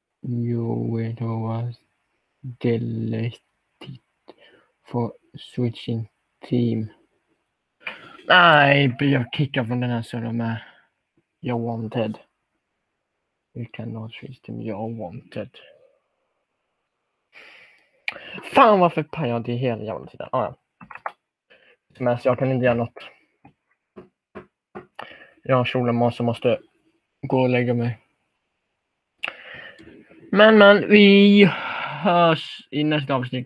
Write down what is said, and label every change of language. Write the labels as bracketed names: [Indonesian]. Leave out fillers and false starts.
[English] Jo, it was deleted for switching team. [Swedish] Nej, jag kickar från den här sidan med. [English] You're wanted. You cannot switch team, you're wanted. [Swedish] Fan, varför pajar jag det hela jävla tiden? Ah, ja. Men jag kan inte göra något. Jag har kjolen som måste gå och lägga mig. Men, vi hörs i nästa avsnitt.